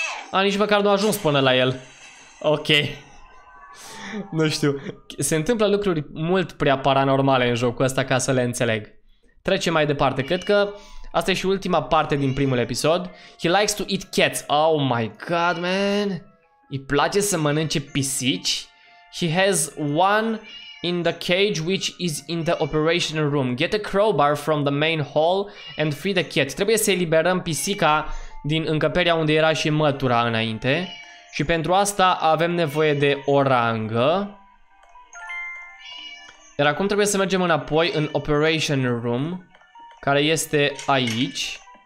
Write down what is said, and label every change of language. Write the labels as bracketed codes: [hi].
[ro] A, nici măcar nu a ajuns până la el. Ok. Nu știu. Se întâmplă lucruri mult prea paranormale în jocul ăsta ca să le înțeleg. Trecem mai departe. Cred că asta e și ultima parte din primul episod. [en] He likes to eat cats. Oh my god, man. [ro] Îi place să mănânce pisici? [en] He has one in the cage which is in the operation room. Get a crowbar from the main hall and free the cat. [ro] Trebuie să eliberăm pisica din încăperea unde era și mătura înainte. Și pentru asta avem nevoie de o rangă. Iar acum trebuie să mergem înapoi în operation room, care este aici.